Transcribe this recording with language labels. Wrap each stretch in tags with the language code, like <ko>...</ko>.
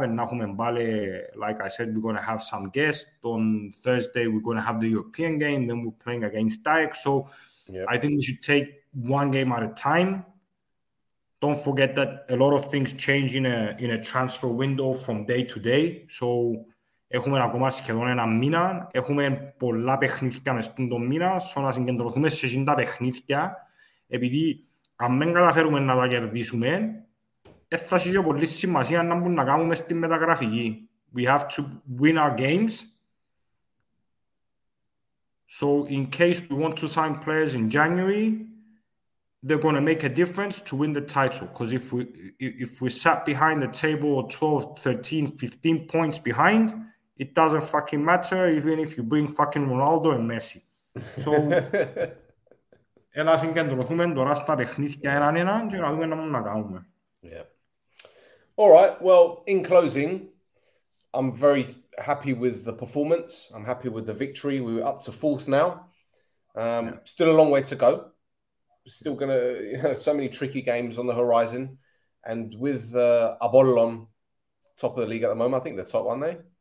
<en>And Nahum Mbale, like I said, we're going to have some guests. On Thursday, we're going to have the European game. Then we're playing against Dijk. So yep. I think we should take one game at a time. Don't forget that a lot of things change in a transfer window from day to day. So</en> <el>έχουμε ακόμα σχεδόν ένα μήνα. Έχουμε πολλά παιχνίδια μες τον μήνα. Στο να συγκεντρωθούμε σε τα παιχνίδια. Επειδή αν δεν καταφέρουμε να τα κερδίσουμε, θα έχει πολύ σημασία να μπορούμε να κάνουμε στη μεταγραφική.</el> <en>We have to win our games. So in case we want to sign players in January, they're going to make a difference to win the title. Because if we sat behind the table 12, 13, 15 points behind, it doesn't fucking matter, even if you bring fucking Ronaldo and Messi. So,</en> <el>έλα συγκεντρωθούμε τώρα στα παιχνίδια έναν-έναν και να δούμε να μπορούμε να κάνουμε.</el> <en>All right, well, in closing, I'm very happy with the performance. I'm happy with the victory. We were up to fourth now. Still a long way to go. Still going to, so many tricky games on the horizon. And with Apollon, top of the league at the moment, I think they're top, aren't they?</en>